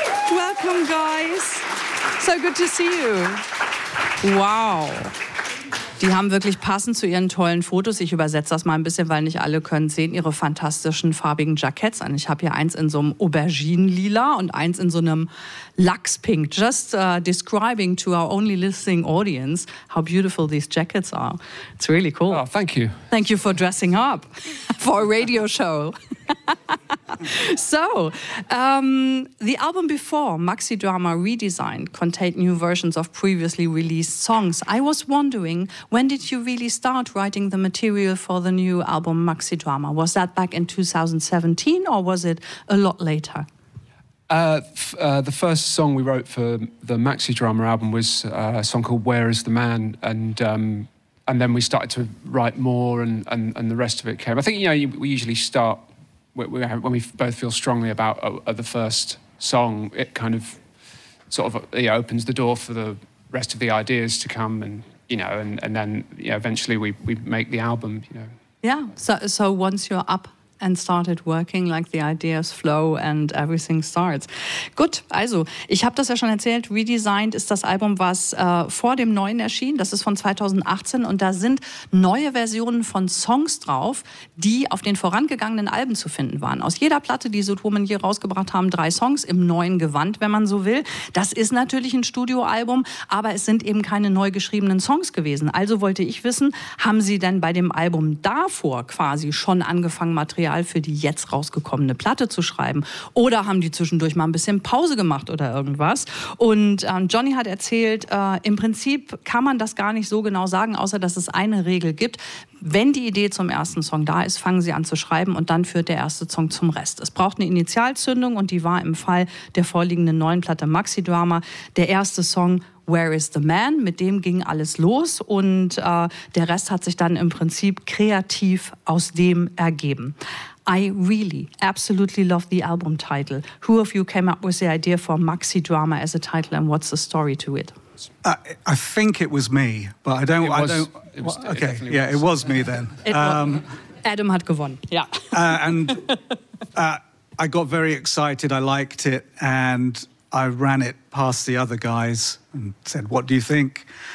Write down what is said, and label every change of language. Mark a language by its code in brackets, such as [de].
[en] Welcome, guys. So good to see you. Wow. [de] Die haben wirklich passend zu ihren tollen Fotos, ich übersetze das mal ein bisschen, weil nicht alle können sehen, ihre fantastischen farbigen Jackets an. Ich habe hier eins in so einem Auberginenlila und eins in so einem Lachspink. [en] Just describing to our only listening audience how beautiful these jackets are. It's really cool. Oh, thank you. Thank you for dressing up for a radio show. So, the album before, Maxi Drama Redesigned, contained new versions of previously released songs. I was wondering, when did you really start writing the material for the new album Maxi Drama? Was that back in 2017 or was it a lot later? The first song we wrote for the Maxi Drama album was a song called Where Is the Man? And then we started to write more and the rest of it came. I think, you know, we usually start when we both feel strongly about the first song, it kind of sort of, you know, opens the door for the rest of the ideas to come, and you know, and then, you know, eventually we make the album, you know. Yeah. So once you're up and started working, like the ideas flow and everything starts. [de] Gut, also, ich habe das ja schon erzählt, Redesigned ist das Album, was vor dem Neuen erschien. Das ist von 2018 und da sind neue Versionen von Songs drauf, die auf den vorangegangenen Alben zu finden waren. Aus jeder Platte, die Zoot Woman hier rausgebracht haben, 3 Songs im neuen Gewand, wenn man so will. Das ist natürlich ein Studioalbum, aber es sind eben keine neu geschriebenen Songs gewesen. Also wollte ich wissen, haben Sie denn bei dem Album davor quasi schon angefangen, Material für die jetzt rausgekommene Platte zu schreiben? Oder haben die zwischendurch mal ein bisschen Pause gemacht oder irgendwas? Und Johnny hat erzählt, im Prinzip kann man das gar nicht so genau sagen, außer dass es eine Regel gibt. Wenn die Idee zum ersten Song da ist, fangen sie an zu schreiben und dann führt der erste Song zum Rest. Es braucht eine Initialzündung und die war im Fall der vorliegenden neuen Platte Maxi Drama der erste Song Where Is The Man? Mit dem ging alles los und der Rest hat sich dann im Prinzip kreativ aus dem ergeben. [en] I really, absolutely love the album title. Who of you came up with the idea for Maxi Drama as a title and what's the story to it? I think it was me, but I don't... it was me then. [de] Adam had gewonnen, yeah. [en] I got very excited, I liked it, and I ran it past the other guys and said, what do you think?